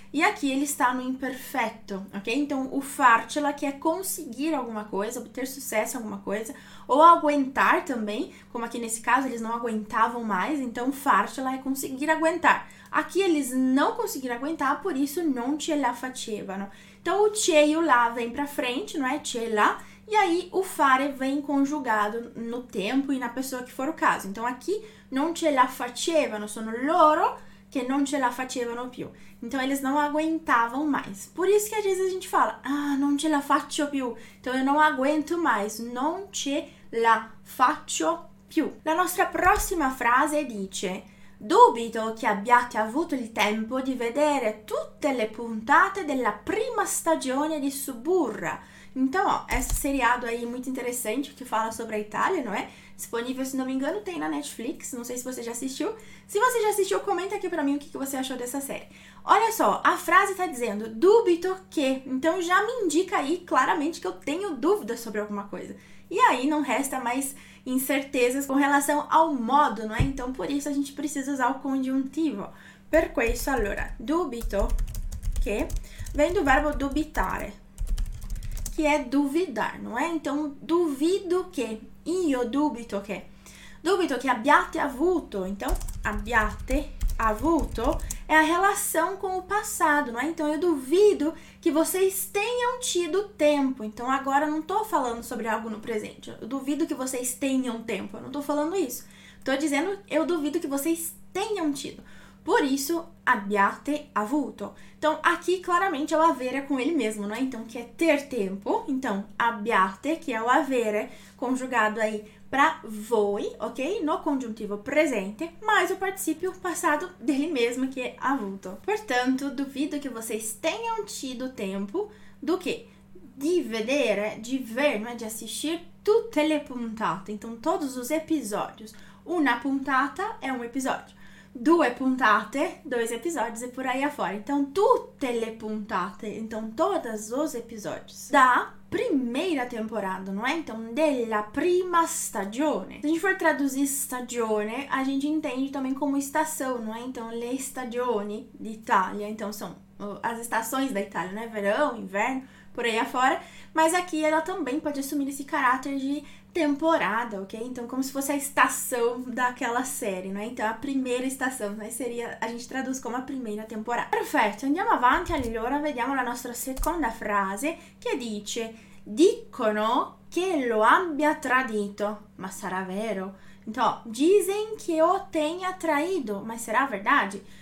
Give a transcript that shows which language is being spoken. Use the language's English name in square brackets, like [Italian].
[Portuguese] E aqui ele está no imperfeito, ok? Então, o farcela, que é conseguir alguma coisa, obter sucesso em alguma coisa, ou aguentar também, como aqui nesse caso, eles não aguentavam mais, então farcela é conseguir aguentar. Aqui eles não conseguiram aguentar, por isso [Italian] non ce la facevano. [Portuguese] Então, o ce e o la vem para frente, não é? Ce la. E aí, o fare vem conjugado no tempo e na pessoa que for o caso. [Italian] Então, aqui, non ce la facevano, sono loro che non ce la facevano più. [Portuguese] Então, eles não aguentavam mais. Por isso que às vezes a gente fala, ah, [Italian] non ce la faccio più. [Portuguese] Então, eu não aguento mais. [Italian] Non ce la faccio più. La nostra prossima frase dice: dubito che abbiate avuto il tempo di vedere tutte le puntate della prima stagione di Suburra. Então, ó, esse seriado aí muito interessante que fala sobre a Itália, não é? Disponível, se não me engano, tem na Netflix. Não sei se você já assistiu. Se você já assistiu, comenta aqui pra mim o que que você achou dessa série. Olha só, a frase tá dizendo dubito che. Então já me indica aí claramente que eu tenho dúvidas sobre alguma coisa. E aí não resta mais incertezas com relação ao modo, não é? Então por isso a gente precisa usar o congiuntivo. Per questo, allora, dubito che vem do verbo dubitare. [Portuguese] Que é duvidar, não é? Então, duvido che. [Italian] Io dubito che. Dubito che abbiate avuto. [Portuguese] Então, abbiate avuto é a relação com o passado, não é? Então, eu duvido que vocês tenham tido tempo. Então, agora eu não estou falando sobre algo no presente. Eu duvido que vocês tenham tempo. Eu não estou falando isso. Estou dizendo, eu duvido que vocês tenham tido. Por isso, [Italian] abbiate avuto. [Portuguese] Então, aqui claramente é o avere com ele mesmo, não é? Então, que é ter tempo. Então, abbiate, que é o avere, conjugado aí para voi, ok? No congiuntivo presente, mais o participio passado dele mesmo, que é avuto. Portanto, duvido que vocês tenham tido tempo do quê? Di vedere, di ver, não é? De assistir [Italian] tutte le puntate. [Portuguese] Então, todos os episódios. Una puntata é um episódio. Due puntate, dois episódios e por aí afora. Então, [Italian] tutte le puntate, [Portuguese] então todos os episódios da primeira temporada, não é? Então, della prima stagione. Se a gente for traduzir stagione, a gente entende também como estação, não é? [Italian] Então, le stagioni d'Italia. [Portuguese] Então, são as estações da Itália, né? Verão, inverno, por aí afora. Mas aqui ela também pode assumir esse caráter de temporada, ok? Então, como se fosse a estação daquela série, não é? Então, a primeira estação, né? Seria, a gente traduz como a primeira temporada. [Italian] Perfeito, andiamo avanti, allora, vediamo la nostra seconda frase, che dice: Dicono che lo abbia tradito, ma sarà vero? [Portuguese] Então, dizem che o tenha traído, ma sarà verdade?